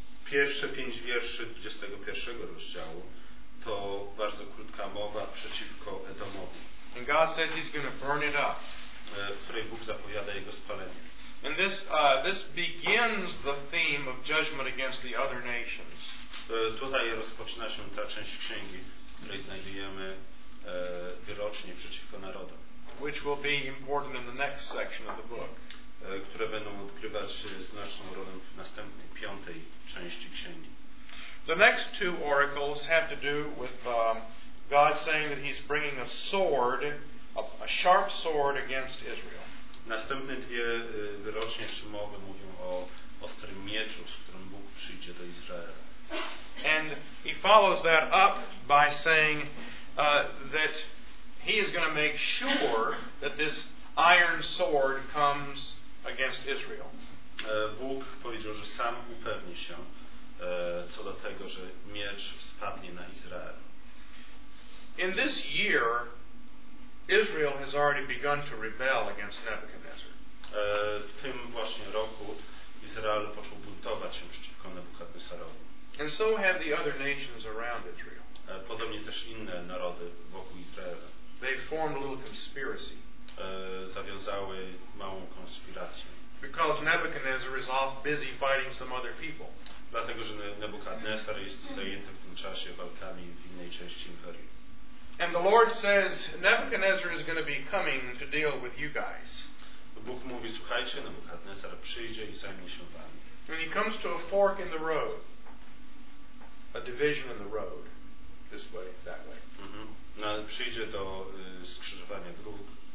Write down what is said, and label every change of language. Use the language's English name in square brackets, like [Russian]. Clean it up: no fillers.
[Polish] Pierwsze 5 wierszy 21 rozdziału to bardzo krótka mowa przeciwko Edomowi. [English] And God says he's going to burn it up. [Polish] W której Bóg zapowiada jego spalenie. [English] And this this begins the theme of judgment against the other nations. [Polish] Tutaj rozpoczyna się ta część księgi, w której znajdujemy wyrocznie przeciwko narodom. [English] Which will be important in the next section of the book. [Polish] Które będą odgrywać znaczną rolę w następnej, piątej części księgi. [English] The next two oracles have to do with God saying that he's bringing a sword, a sharp sword against Israel. [Polish] Następne dwie wyrocznie jeszcze mowy mówią o ostrym mieczu, z którym Bóg przyjdzie do Izraela. [English] And he follows that up by saying that he is going to make sure that this iron sword comes against Israel. [Polish] Bóg powiedział, że sam upewni się co do tego, że miecz spadnie na Izrael. [English] In this year, Israel has already begun to rebel against Nebuchadnezzar. [Polish] W tym właśnie roku Izrael począł buntować się przeciwko Nebuchadnezzarowi. [English] And so have the other nations around Israel. [Polish] Podobnie też inne narody wokół Izraela. [English] They formed a little conspiracy. [Polish] Zawiązały małą konspirację. [English] Because Nebuchadnezzar is off busy fighting some other people. [Polish] Dlatego, że Nebuchadnezzar jest zajęty w tym czasie walkami w innej części imperium. [English] And the Lord says Nebuchadnezzar is going to be coming to deal with you guys. [Polish] Bóg mówi, słuchajcie, Nebuchadnezzar przyjdzie i zajmie się wami. [English] And he comes to a fork in the road, a division in the road, this way, that way. Mm-hmm. [Polish] No, przyjdzie do skrzyżowania dróg.